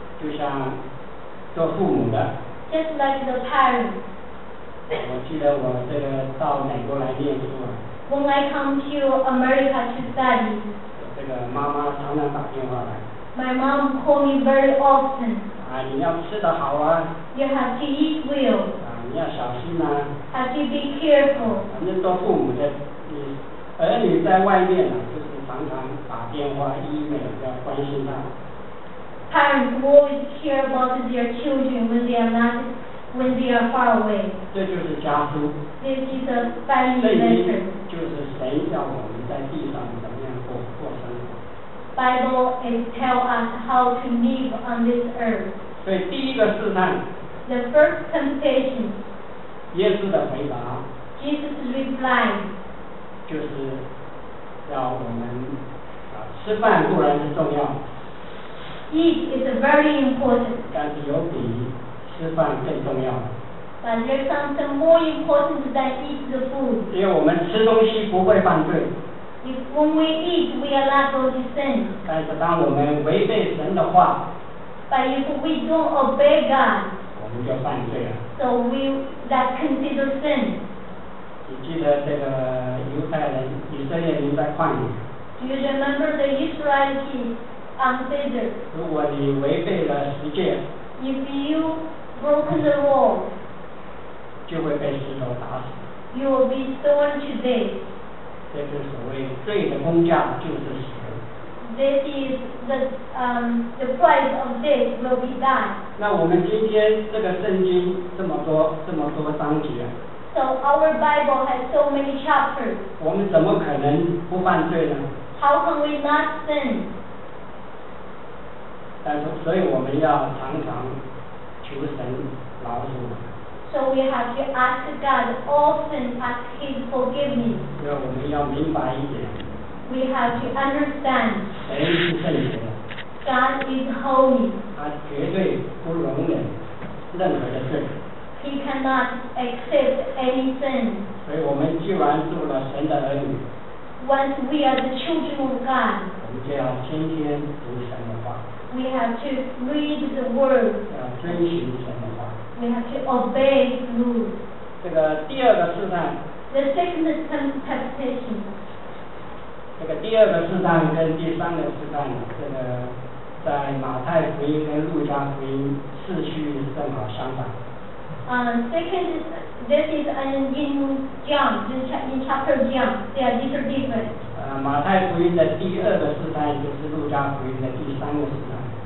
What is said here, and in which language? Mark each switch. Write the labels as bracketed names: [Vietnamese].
[Chinese] 就像做父母的。 [English] Just like the parents. [Chinese] 我记得我这个到美国来念书。 [English] When I come to America to study. [Chinese] 这个妈妈常常打电话来。 [English] My mom called me very often. [Chinese] 啊，你要吃得好啊。 [English] You have to eat well. [Chinese] 啊，你要小心啊。 [English] Have to be careful. [Chinese] 反正做父母的。儿女在外面呢，就是常常打电话、email 要关心他。 [English] Parents always care about their children when they are far away. [Chinese] 这就是家书。 [English] This is a family letter. [Chinese] 圣经就是神叫我们在地上怎么样过生活。 [English] Bible is tell us how to live on this earth. [Chinese] 所以第一个试探。 [English] The first temptation. [Chinese] 耶稣的回答。 [English] Jesus replied. [Chinese] 就是要我们吃饭固然是重要。 [English] Eat is very important. [Chinese] 但是有比吃饭更重要。 [English] But there's something more important than eat the food. [Chinese] 因为我们吃东西不会犯罪。 [English] If when we eat, we are not going to sin. [Chinese] 但是当我们违背神的话。 [English] But if we don't obey God. [Chinese] 我们就犯罪了。 [English] So we that consider sin. [Chinese] 你记得这个犹太人以色列人在旷野。 [English] Do you remember the Israelites on the desert? [Chinese] 如果你违背了十诫。 [English] If you broke the law. [Chinese] 就会被石头打死。 [English] You will be stoned to death. [Chinese] 这是所谓罪的工价就是死。 [English] This is the price of death will be that. [Chinese] 那我们今天这个圣经这么多这么多章节。 [English] So our Bible has so many chapters. [Chinese] 我们怎么可能不犯罪呢 [English] ？How can we not sin? [Chinese] 但是，所以我们要常常求神饶恕。 [English] So we have to ask God often ask His forgiveness. [Chinese] 要我们要明白一点。 [English] We have to understand. [Chinese] 神是圣洁的。 [English] God is holy. [Chinese] 他绝对不容忍任何的罪。 [English] He cannot accept any sin. [Chinese] 所以我们既然做了神的儿女。 [English] Once we are the children of God. [Chinese] 我们就要天天读神的话。 [English] We have to read the word. [Chinese] 要遵循神的话。 [English] We have to obey rules. [Chinese] 这个第二个试探。 [English] The second temptation. [Chinese] 这个第二个试探跟第三个试探，这个在马太福音跟路加福音次序正好相反。 [English] Second, this is in John, in chapter John, they are different. [Chinese] 马太福音的第二个试探就是路加福音的第三个试探。